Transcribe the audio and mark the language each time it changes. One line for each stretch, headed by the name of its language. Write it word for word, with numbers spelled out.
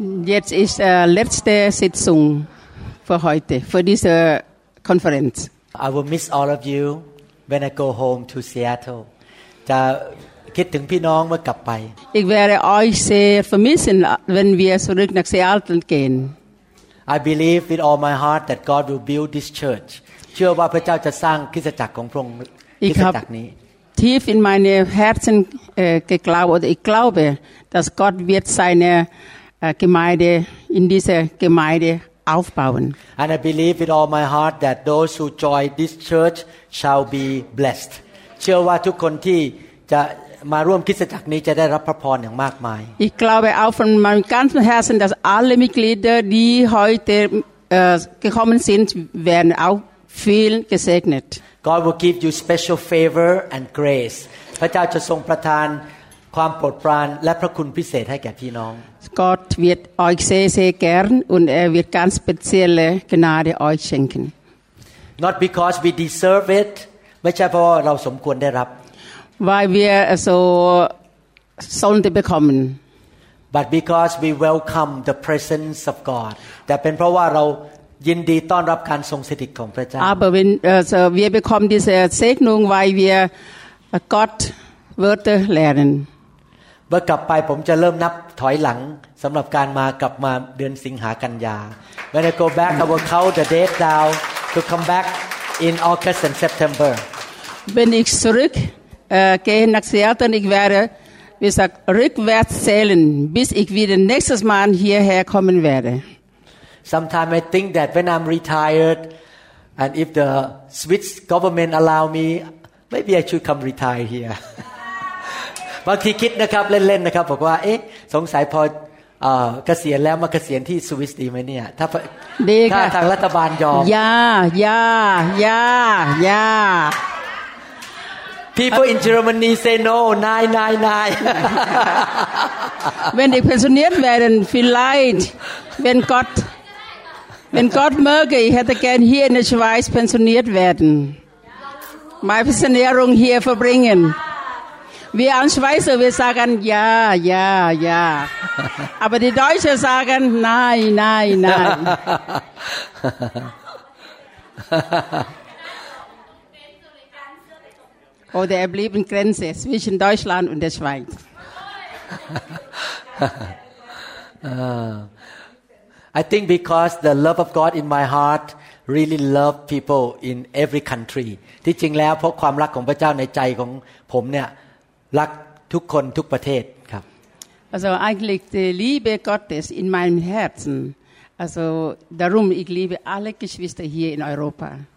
German: Jetzt ist die letzte Sitzung für heute, für diese Konferenz.
English: I will miss all of you when I go home to Seattle.
Thai: จะคิดถึงพี่น้องเมื่อกลับไป
German: Ich werde euch sehr vermissen, wenn wir zurück nach Seattle gehen.
English: I believe with all my heart that God will build this church.
Thai: เชื่อว่าพระเจ้าจะสร้างคริสตจักรของพระองค์คริสตจักรนี้
German: Tief in meine Herzen äh, geglaubt oder ich glaube, dass Gott wird seine äh, Gemeinde in dieser Gemeinde aufbauen.
English: And I believe with all my heart that those who join this church shall be blessed.
Thai: เชื่อว่าทุกคนที่จะมาร่วมคริสตจักรนี้จะได้รับพระพรอย่างมากมาย
German: Ich glaube auch von meinem ganzen Herzen, dass alle Mitglieder, die heute äh, gekommen sind, werden auch viel gesegnet.
English: God will give you special favor and grace.
Thai: พระเจ้าจะทรงประทานความโปรดปรานและพระคุณพิเศษให้แก่พี่น้อง
German: Gott wird euch sehr sehr gern und er wird ganz spezielle Gnade euch schenken.
English: Not because we deserve it.
Thai: ไม่ใช่เพราะเราสมควรได้รับ
German: Weil wir so sollte bekommen.
English: But because we welcome the presence of God.
Thai: แต่เป็นเพราะว่าเรายินดีต้อนรับการทรงสถิตของพระเจ้า
German: Aber wenn also wir bekommen diese Segnung weil wir Gott Wörter lernen
Thai: เมื่อกลับไปผมจะเริ่มนับถอยหลังสำหรับการมากลับมาเดือนสิงหากันยา
English: When I go back I will count the days down to come back in August and September
German: Wenn ich zurück äh, gehe nach Seattle ich werde wie gesagt rückwärts zählen bis ich wieder nächstes Mal hierher kommen werde
English: Sometimes I think that when I'm retired, and if the Swiss government allow me, maybe I should come retire here.
Thai: บางทีคิดนะครับเล่นๆนะครับบอกว่าเอ๊ะสงสัยพอเอ่อเกษียณแล้วมาเกษียณที่สวิสดีไหมเนี่ยถ้าถ้าทางรัฐบาลยอม
English: Yeah, yeah, yeah, yeah. People in Germany say no,
German: nein, nein, nein. Wenn ich pensioniert werden, vielleicht, wenn Gott Wenn Gott möge, ich hätte gern hier in der Schweiz pensioniert werden. Meine Pensionierung hier verbringen. Wir als Schweizer, wir sagen ja, ja, ja. Aber die Deutschen sagen nein, nein, nein. Oder er blieb in Grenze zwischen Deutschland und der Schweiz.
English: I think because the love of God in my heart really love people in every country
Thai: ที่จริงแล้วเพราะความรักของพระเจ้าในใจของผมเนี่ยรักทุกคนทุกประเทศครับ
German: Also eigentlich die Liebe Gottes in meinem Herzen also darum ich liebe alle Geschwister hier in Europa